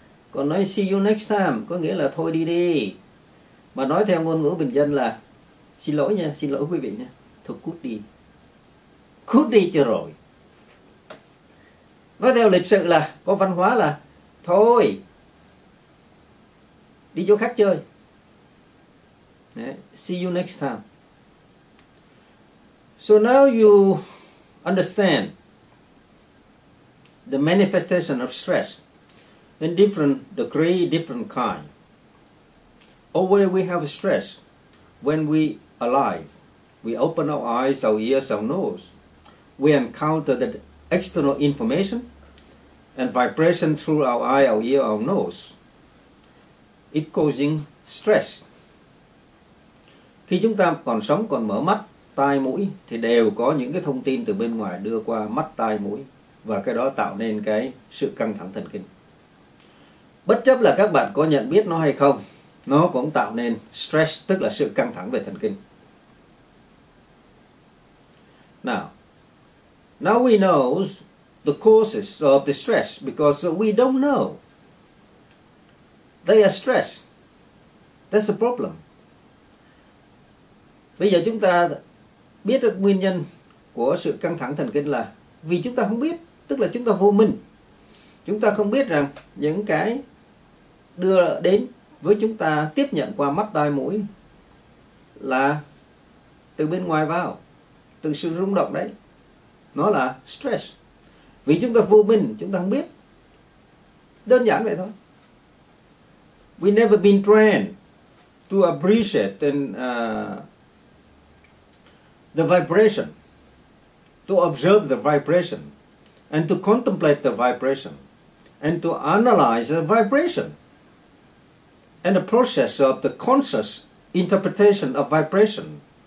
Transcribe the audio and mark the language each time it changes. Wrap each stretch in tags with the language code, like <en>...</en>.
<vi>Còn nói</vi> <en>see you next time</en> <vi>có nghĩa là thôi đi đi. Mà nói theo ngôn ngữ bình dân là xin lỗi nha, xin lỗi quý vị nha, thôi cút đi. Cút đi cho rồi. Nói theo lịch sự là, có văn hóa là thôi, đi chỗ khác chơi. Đấy,</vi> <en>see you next time. So now you understand the manifestation of stress in different degree, different kind. Always we have stress when we alive. We open our eyes, our ears, our nose. We encounter the external information and vibration through our eye, our ear, our nose. It causing stress.</en> <vi>Khi chúng ta còn sống, còn mở mắt, tai, mũi thì đều có những cái thông tin từ bên ngoài đưa qua mắt, tai, mũi và cái đó tạo nên cái sự căng thẳng thần kinh. Bất chấp là các bạn có nhận biết nó hay không, nó cũng tạo nên stress, tức là sự căng thẳng về thần kinh.</vi> <en>Now, now we know the causes of the stress because we don't know. They are stress. That's the problem.</en> <vi>Bây giờ chúng ta biết được nguyên nhân của sự căng thẳng thần kinh là vì chúng ta không biết, tức là chúng ta vô minh. Chúng ta không biết rằng những cái đưa đến với chúng ta tiếp nhận qua mắt, tai, mũi là từ bên ngoài vào, từ sự rung động đấy. Nó là stress. Vì chúng ta vô minh, chúng ta không biết. Đơn giản vậy thôi.</vi> <en>We never been trained to appreciate and the vibration, to observe the vibration, and to contemplate the vibration, and to analyze the vibration, and the process of the conscious interpretation of vibration.</en>